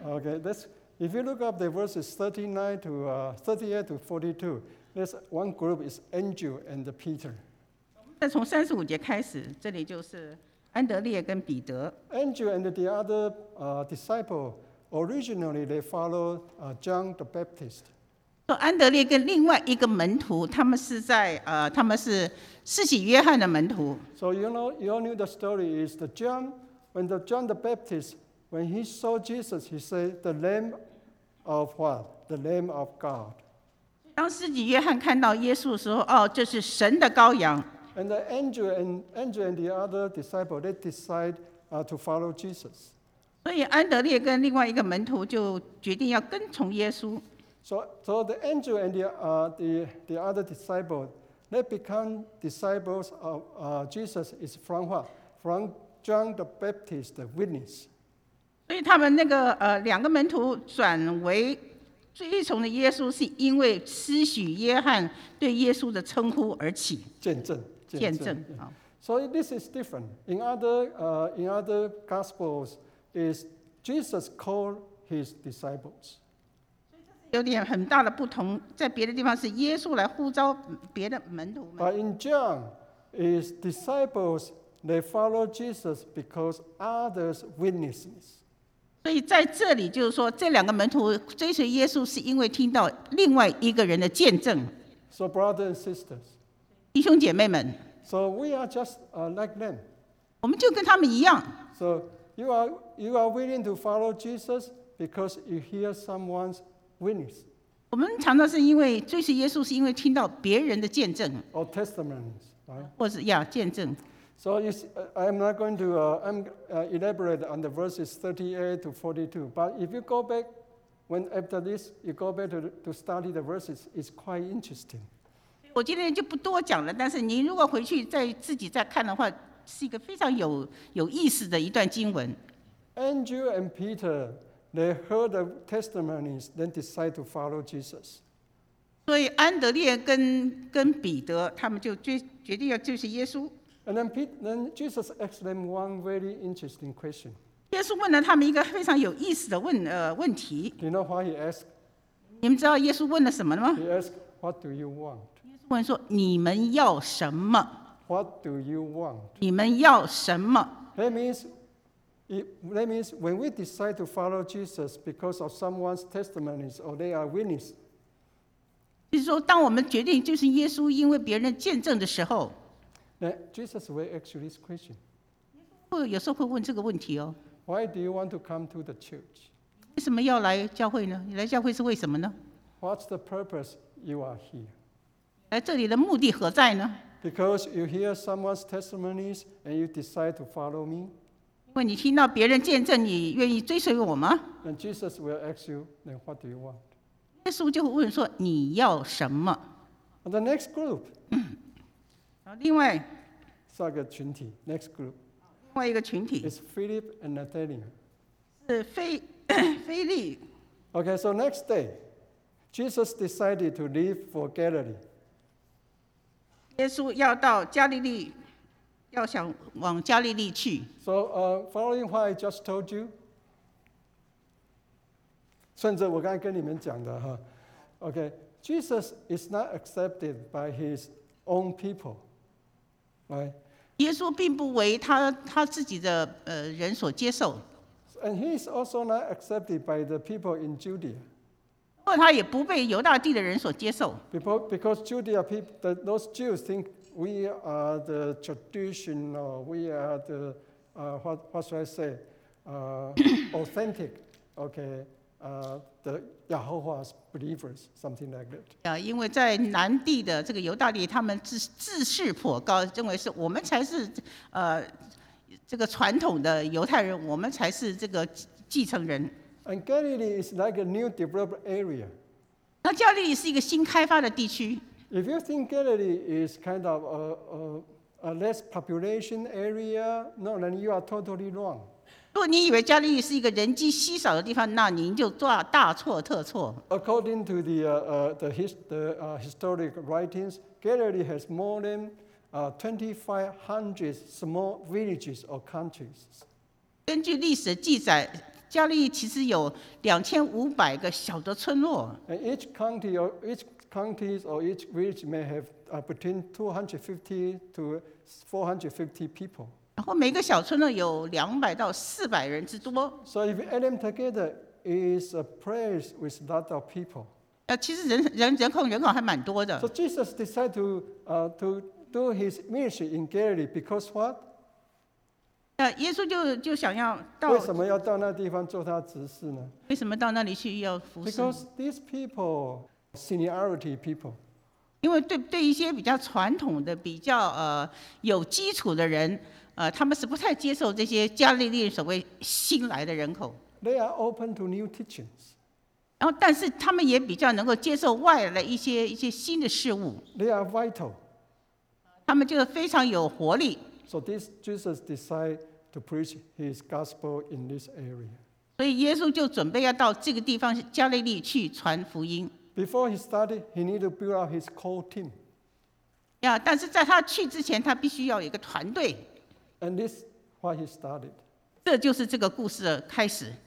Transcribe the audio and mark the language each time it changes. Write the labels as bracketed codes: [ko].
[en] Okay, let's if you look up the verses 39 to 38 to 42, there's one group is Andrew and Peter. [zh] 但从三十五节开始，这里就是安德烈跟彼得。 [en] Andrew and the other disciple originally they followed John the Baptist. [zh] 安德烈跟另外一个门徒，他们是在他们是施洗约翰的门徒。 [en] So you know, you all knew the story is that John, when the John the Baptist, when he saw Jesus, he said, "The Lamb of what? The Lamb of God." [zh] 当施洗约翰看到耶稣的时候，哦，这是神的羔羊。 [en] And the angel and Andrew and the other disciple they decide to follow Jesus. [zh] 所以安德烈跟另外一个门徒就决定要跟从耶稣。 [en] So the angel and the other disciple they become disciples of Jesus is from what? From John the Baptist, the witness. [zh] 所以他们那个两个门徒转为追从的耶稣，是因为施洗约翰对耶稣的称呼而起。见证。见证。 [en] So this is different. In other Gospels, is Jesus called his disciples. [zh] 有点很大的不同，在别的地方是耶稣来呼召别的门徒。 [en] But in John, his disciples, they follow Jesus because others witnesses. [zh] 所以在这里就是说，这两个门徒追随耶稣是因为听到另外一个人的见证。 [en] So brothers and sisters, [zh] 弟兄姐妹们， [en] so we are just like them. [zh] 我们就跟他们一样。 [en] So you are willing to follow Jesus because you hear someone's witness. [zh] 我们常常是因为追随耶稣，是因为听到别人的见证。 [en] Or testimonies, right? [zh] 或是呀见证。 [en] So I'm not going to elaborate on the verses 38 to 42. But if you go back when after this you go back to study the verses, it's quite interesting. [zh] 我今天就不多讲了，但是您如果回去再自己再看的话，是一个非常 有意思的一段经文。 [en] Andrew and Peter, they heard the testimonies, then decide to follow Jesus. [zh] 所以安德烈 跟彼得他们就决定要追随耶稣。 [en] And then Jesus asked them one very interesting question. [zh] 耶稣问了他们一个非常有意思的 问题。 [en] Do you know what he asked? [zh] 你们知道耶稣问了什么吗？ [en] He asked, "What do you want?" [zh] 问说你们要什么？ [en] What do you want? [zh] 你们要什么？ [en] That means when we decide to follow Jesus because of someone's testimonies or they are witness. [zh] 就是说，当我们决定就是耶稣因为别人见证的时候， [en] Then Jesus will ask you this question. [zh] 有时候会问这个问题哦。 [en] Why do you want to come to the church? [zh] 为什么要来教会呢？你来教会是为什么呢？ [en] What's the purpose you are here? [zh] 来这里的目的何在呢？ [en] Because you hear someone's testimonies and you decide to follow me. [zh] 因为你听到别人见证，你愿意追随我吗？ [en] And Jesus will ask you, then what do you want? [zh] 耶稣就会问说你要什么？ [en] The next group. [zh] 然后另外，下一个群体， [en] next group. [zh] 另外一个群体 [en] is Philip and Nathaniel. [zh] 是菲利。 [en] Okay, so next day, Jesus decided to leave for Galilee. [zh] 耶稣要到加利利，要想往加利利去。 [en] So, following what I just told you, [zh] 顺着我刚才跟你们讲的哈 [en] ，OK, Jesus is not accepted by his own people, right? [zh] 耶稣并不为他自己的人所接受。 [en] And he is also not accepted by the people in Judea. [zh] 因为他也不被犹大地的人所接受。 [en] Because Judea people, those Jews think we are the traditional, we are the, what should I say, authentic, okay, the Yahuwah's believers, something like that. [zh] Yeah, 因为在南地的这个犹大地，他们自视颇高，认为是我们才是这个传统的犹太人，我们才是这个继承人。 [en] And Galilee is like a new developed area. [zh] 那加利利是一个新开发的地区。 [en] If you think Galilee is kind of a less population area, no, then you are totally wrong. [zh] 如果你以为加利利是一个人迹稀少的地方，那您就大错特错。 [en] According to the historic writings, Galilee has more than 2,500 small villages or countries. [zh] 根据历史记载。加利利其实有2500个小的村落。 [en] And each county or each counties or each village may have between 250 to 450 people. [zh] 然后每个小村呢有200到400人之多。 [en] So if you add them together, it's a place with a lot of people. [zh] 其实人口还蛮多的。 [en] So Jesus decided to do his ministry in Galilee because what? [zh] 耶稣就想要到。为什么要到那地方做他执事呢？为什么到那里去要服侍？ [en] Because these people, seniority people. [zh] 因为 对一些比较传统的、比较有基础的人，他们是不太接受这些加利利所谓新来的人口。 [en] They are open to new teachings. [zh] 然后，但是他们也比较能够接受外来的一些新的事物。 [en] They are vital. [zh] 他们就是非常有活力。 [en] So this Jesus decided to preach his gospel in this area. [zh] 所以耶稣就准备要到这个地方加利利去传福音。 [en] Before he started, he needed to build up his core team. [zh] Yeah, 但是在他去之前，他必须要有一个团队。 [en] And this what he started. [zh] 这就是这个故事的开始。